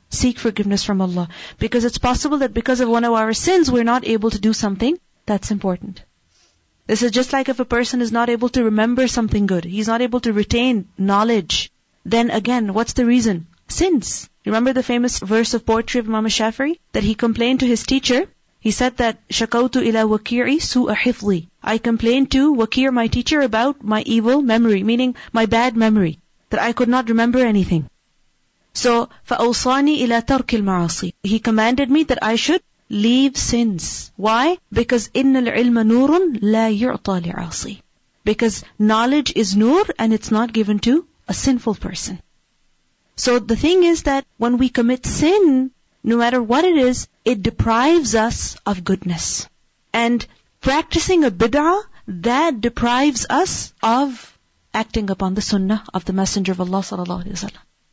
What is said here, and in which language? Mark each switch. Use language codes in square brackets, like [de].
[en] Seek forgiveness from Allah. Because it's possible that because of one of our sins, we're not able to do something that's important. This is just like if a person is not able to remember something good. He's not able to retain knowledge. Then again, what's the reason? Sins. Remember the famous verse of poetry of Imam Shafi'i? That he complained to his teacher. He said that, [ar] شَكَوْتُ إِلَى وَكِيرِي سُوءَ حِفْظِي. [en] I complained to Wakir, my teacher, about my evil memory, meaning my bad memory, that I could not remember anything. [ar] So, فَأَوْصَانِي إِلَى تَرْكِ الْمَعَاصِي. [en] He commanded me that I should leave sins. Why? [ar] Because إِنَّ الْعِلْمَ نُورٌ لَا يُعْطَى لِعَاصِي. [en] Because knowledge is nur and it's not given to a sinful person. So the thing is that when we commit sin, no matter what it is, it deprives us of goodness. And practicing a bid'ah, that deprives us of acting upon the sunnah of the Messenger of Allah sallallahu alaihi wasallam.